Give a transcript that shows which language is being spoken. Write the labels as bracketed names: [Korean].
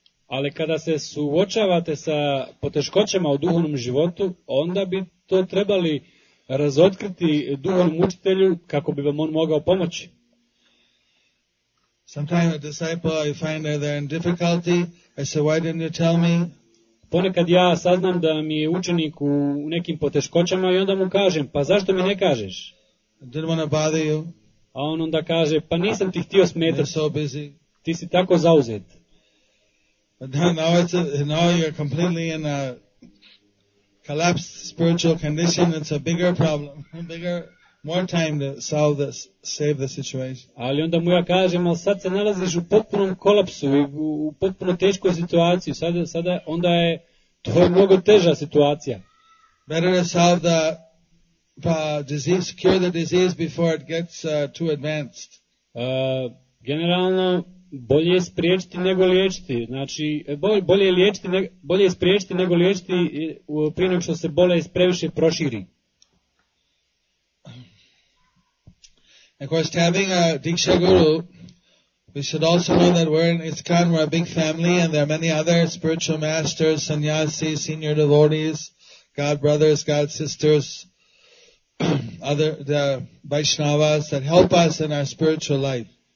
[Croatian] Ali kada se suočavate sa poteškoćama u duhovnom životu, onda bi to trebali razotkriti duhovnom učitelju kako bi vam on mogao pomoći. [English] Sometimes a disciple I find that they're in difficulty, I say, why didn't you tell me? [Croatian] Ponekad ja saznam da mi je učenik u nekim poteškoćama i onda mu kažem, pa zašto mi ne kažeš? [English] Didn't want to bother you. [Croatian] A on onda kaže, pa nisam ti htio smetati. [English] You're so busy. [Croatian] Ti si tako zauzet. [English] But now you're completely in a collapsed spiritual condition. It's a bigger problem. Bigger, more time to solve this, save the situation. [Croatian] Ali onda mu ja kažem, ali sad se nalaziš u potpunom kolapsu, u potpuno teškoj situaciji. Sada onda je to je mnogo teža situacija. [English] Better to solve the disease, cure the disease before it gets too advanced. [Croatian] Generalno, bolje spriječiti nego liječiti. Znači, bolje spriječiti nego liječiti prije nego što se bolest previše proširi. [English] Of course, having a Diksha Guru, we should also know that we're in ISKCON, we're a big family, and there are many other spiritual masters, sannyasis, senior devotees, God brothers, God sisters, other the Vaishnavas that help us in our spiritual life.